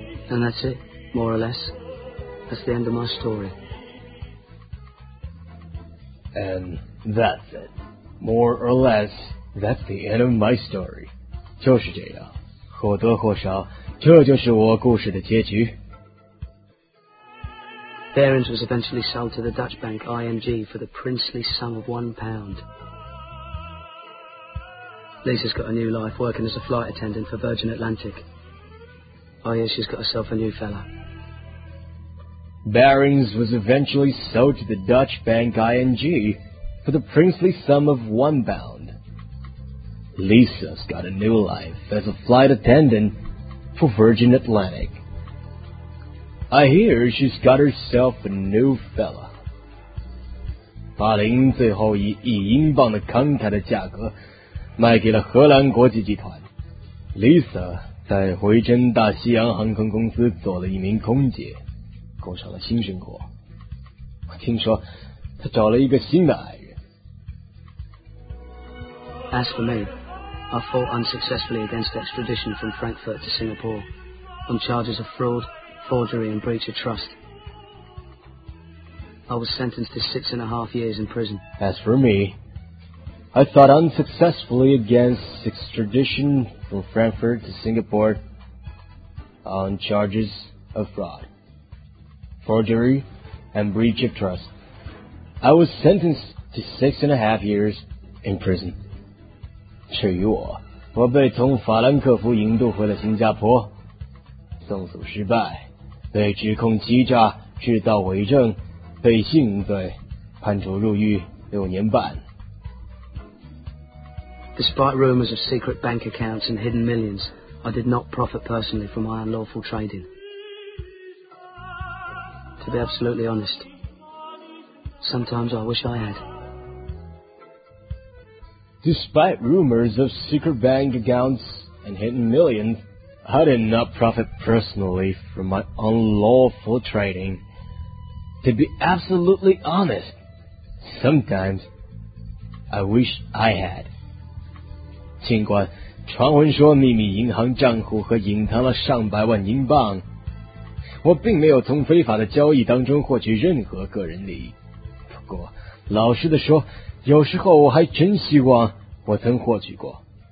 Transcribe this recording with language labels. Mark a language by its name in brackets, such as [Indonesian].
[English] And that's it, more or less. That's the end of my story. And that's it. More or less, that's the end of my story. [Chinese] 就是这样，或多或少，这就是我故事的结局。 [English] Behrens was eventually sold to the Dutch bank ING for the princely sum of £1. Lisa's got a new life working as a flight attendant for Virgin Atlantic. Oh yeah, she's got herself a new fella. Behrens was eventually sold to the Dutch bank ING for the princely sum of £1. Lisa's got a new life as a flight attendant for Virgin Atlantic. I hear she's got herself a new fella. [Chinese] 巴林最后以1英镑的慷慨的价格卖给了荷兰国际集团。 Lisa 在回珍大西洋航空公司做了一名空姐。过上了新生活，我听说他找了一个新的爱人。 [English] As for me, I fought unsuccessfully against extradition from Frankfurt to Singapore on charges of fraud, forgery and breach of trust. I was sentenced to 6.5 years in prison. As for me, I fought unsuccessfully against extradition from Frankfurt to Singapore on charges of fraud. Forgery and breach of trust. I was sentenced to 6.5 years in prison. [Chinese] 至于我，我被从法兰克福引渡回了新加坡，送诉失败，被指控欺诈、制造伪证、背信罪，判处入狱6年半。 [English] Despite rumors of secret bank accounts and hidden millions, I did not profit personally from my unlawful trading. To be absolutely honest, sometimes I wish I had. Despite rumors of secret bank accounts and hidden millions, I did not profit personally from my unlawful trading. To be absolutely honest, sometimes I wish I had. [Chinese] 尽管传闻说秘密银行账户和隐藏了上百万英镑，我并没有从非法的交易当中获取任何个人利益。不过，老实地说，有时候我还真希望我曾获取过。